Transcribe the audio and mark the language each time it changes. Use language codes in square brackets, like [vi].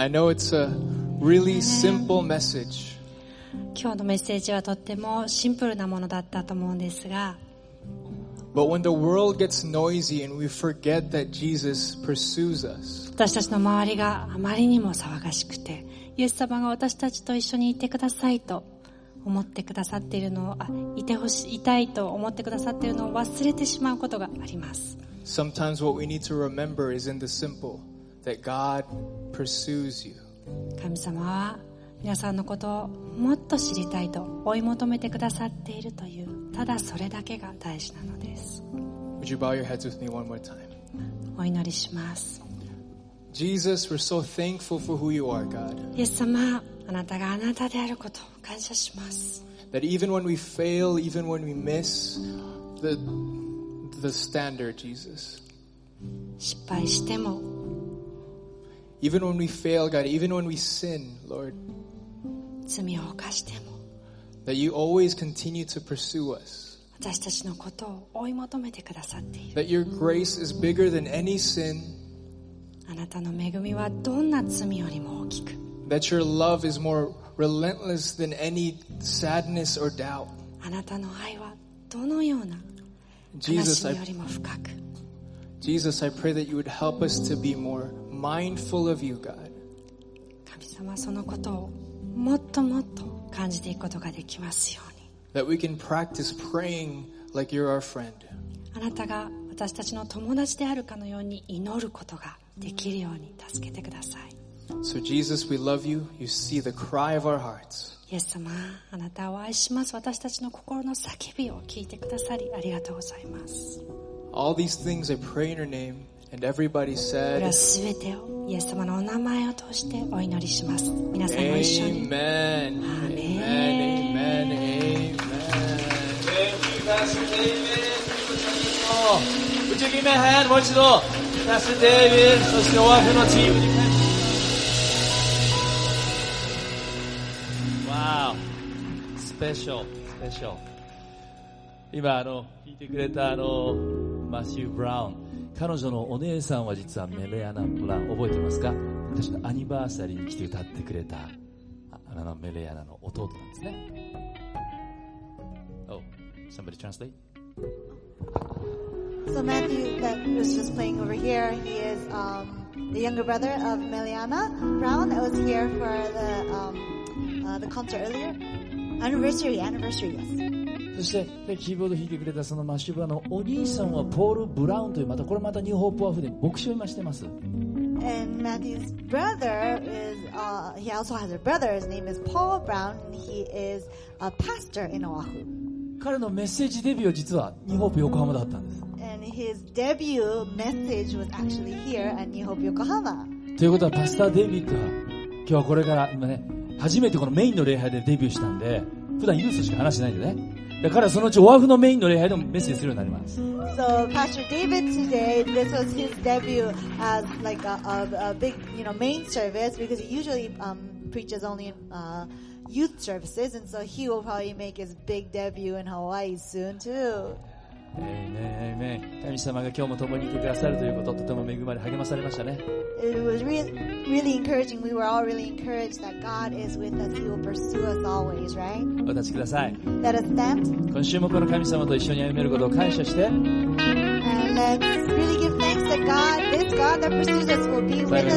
[en] I know it's a really simple message. [ja] 今日のメッセージはとってもシンプルなものだったと思うんですが、 [en] But when the world gets noisy and we forget that Jesus pursues us, [ja] 私たちの周りがあまりにも騒がしくて、イエス様が私たちと一緒にいてくださいと思ってくださっているのを、いてほし、いたいと思ってくださっているのを忘れてしまうことがあります。 [en] Sometimes what we need to remember is in the simple, that God pursues you. [ja] 神様は皆さんのことをもっと知りたいと追い求めてくださっているという、ただそれだけが大事なのです。 [en] Would you bow your heads with me one more time? [ja] お祈りします。 [en] Jesus, we're so thankful for who you are, God. [ja] イエス様、あなたがあなたであることを感謝します。 [en] That even when we fail, even when we miss the standard, Jesus. [ja] 失敗しても。 [en] Even when we fail, God, even when we sin, Lord. [ja] 罪を犯しても。 [en] That you always continue to pursue us. [ja] 私たちのことを追い求めてくださっている。 [en] That your grace is bigger than any sin. [ja] あなたの恵みはどんな罪よりも大きく。 [en] That your love is more relentless than any sadness or doubt. [ja] あなたの愛はどのような悲しみよりも深く。 [en] Jesus, I pray that you would help us to be more mindful of you, God. [ja] 神様、そのことをもっともっと感じていくことができますように。 [en] That we can practice praying like you're our friend. [ja] あなたが私たちの友達であるかのように祈ることが。できるように助けてください。 [en] So Jesus, we love you. You see the cry of our hearts. [ja] イエス様、あなたを愛します。私たちの心の叫びを聞いてくださり、ありがとうございます。 [en] All these things I pray in your name, and everybody said. [ja] これすべてをイエス様のお名前を通してお祈りします。皆さんも一緒に。 [en] Amen. Amen. Amen. Amen. Thank you, Pastor David. Would you give me a hand, [ja] もう一度。 [en] Wow, special, special. [ja] 今聞いてくれたマシュー・ブラウン、彼女のお姉さんは実はメレアナ・ブラウン、覚えてますか？私のアニバーサリーに来て歌ってくれたメレアナの弟なんですね。 [en] Oh, somebody translate? So Matthew that was just playing over here, he is the younger brother of Meliana Brown that was here for the concert earlier. Anniversary, anniversary, yes. [ja] そしてキーボード弾いてくれたそのマシュバのお兄さんはポール・ブラウンという、またこれまたニューホープ・ワーフで牧師を今してます。 [en] And Matthew's brother is, he also has a brother, his name is Paul Brown, and he is a pastor in Oahu. [ja] 彼のメッセージデビューは実はニューホープ横浜だったんです。 [en] His debut message was actually here at New Hope Yokohama. [ja] ということはパスターデビッドは今日はこれから今ね初めてこのメインの礼拝でデビューしたんで、普段ユースしか話してないんでね。だからそのうちオアフのメインの礼拝でもメッセージするようになります。 [en] So Pastor David today, this was his debut as like a big, you know, main service because he usually preaches only in, youth services, and so he will probably make his big debut in Hawaii soon too. Amen. [ja] 神様が今日も共にいてくださるということ、とても恵まれ、励まされましたね。 [en] It was really encouraging. We were all really encouraged that God is with us. He will pursue us always, right? [ja] お立ちください。 [en] Let us stand. [ja] 今週もこの神様と一緒に歩めることを感謝して。 [en] And let's really give thanks that God, this God that pursues us, will be with us.